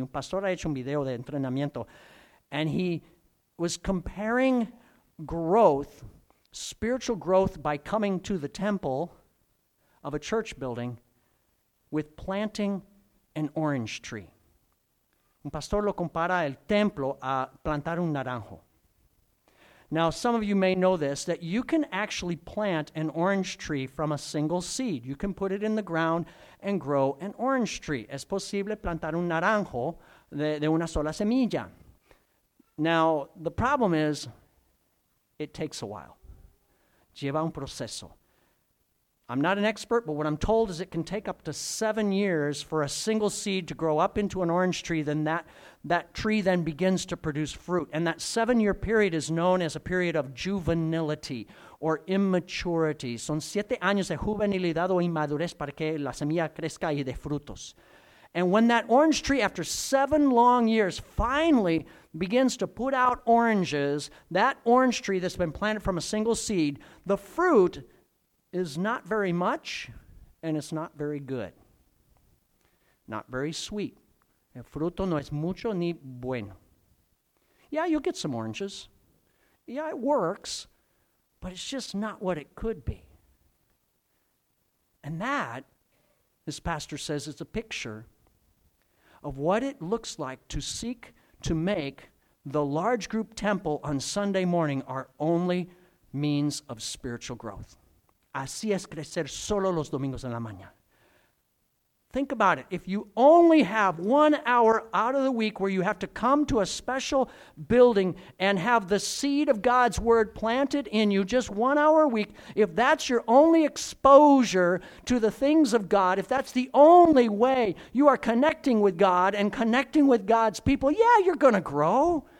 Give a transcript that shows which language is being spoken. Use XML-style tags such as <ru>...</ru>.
<es>Un pastor ha hecho un video de entrenamiento,</es> <en>and he was comparing growth, spiritual growth by coming to the temple of a church building with planting an orange tree.</en> <es>Un pastor lo compara el templo a plantar un naranjo.</es> <en>Now, some of you may know this, that you can actually plant an orange tree from a single seed. You can put it in the ground and grow an orange tree.</en> <es>Es posible plantar un naranjo de una sola semilla.</es> <en>Now, the problem is, it takes a while.</en> <es>Lleva un proceso.</es> <en>I'm not an expert, but what I'm told is it can take up to 7 years for a single seed to grow up into an orange tree. Then that tree then begins to produce fruit. And that seven-year period is known as a period of juvenility or immaturity.</en> <es>Son 7 años de juvenilidad o inmadurez para que la semilla crezca y dé frutos.</es> <en>And when that orange tree, after 7 long years, finally begins to put out oranges, that orange tree that's been planted from a single seed, the fruit is not very much, and it's not very good. Not very sweet.</en> <es>El fruto no es mucho ni bueno.</es> <en>Yeah, you'll get some oranges. Yeah, it works, but it's just not what it could be. And that, this pastor says, is a picture of what it looks like to seek to make the large group temple on Sunday morning our only means of spiritual growth.</en> <es>Así es crecer solo los domingos en la mañana.</es> <en>Think about it. If you only have 1 hour out of the week where you have to come to a special building and have the seed of God's word planted in you, just 1 hour a week, if that's your only exposure to the things of God, if that's the only way you are connecting with God and connecting with God's people, yeah, you're going to grow.</en>